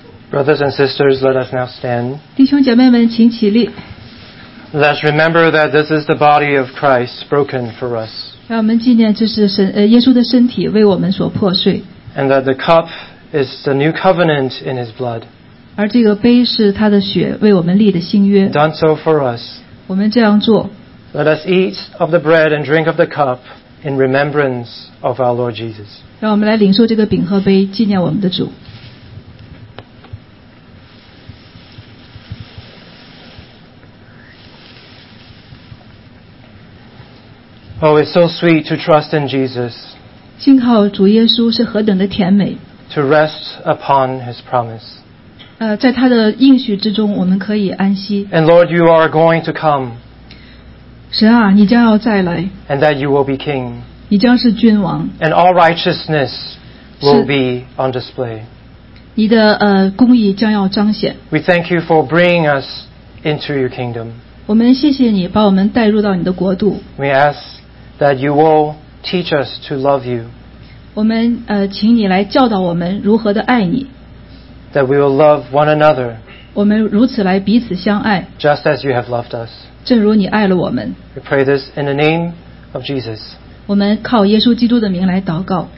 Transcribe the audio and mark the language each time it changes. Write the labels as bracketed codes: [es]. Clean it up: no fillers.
[en] Brothers and sisters, let us now stand. [zh] 弟兄姐妹们，请起立。 [en] Let's remember that this is the body of Christ broken for us. [zh] 让我们纪念这是神耶稣的身体为我们所破碎。 [en] And that the cup is the new covenant in His blood. [zh] 而这个杯是他的血为我们立的新约。 [en] Done so for us. [zh] 我们这样做。 [en] Let us eat of the bread and drink of the cup in remembrance of our Lord Jesus. [zh] 让我们来领受这个饼和杯，纪念我们的主。 [en] Oh, it's so sweet to trust in Jesus. [zh] 信靠主耶稣是何等的甜美。 [en] To rest upon His promise. [zh] 在他的应许之中，我们可以安息。 [en] And Lord, you are going to come. [zh] 神啊，你将要再来。 [en] And that you will be king. [zh] 你将是君王。 [en] And all righteousness will be on display. [zh] 你的公义将要彰显。 [en] We thank you for bringing us into your kingdom. [zh] 我们谢谢你把我们带入到你的国度。 [en] We ask that you will teach us to love you. [zh] 我们请你来教导我们如何的爱你。 [en] That we will love one another. [zh] 我们如此来彼此相爱。 [en] Just as you have loved us. [zh] 正如你爱了我们。 [en] We pray this in the name of Jesus. [zh] 我们靠耶稣基督的名来祷告。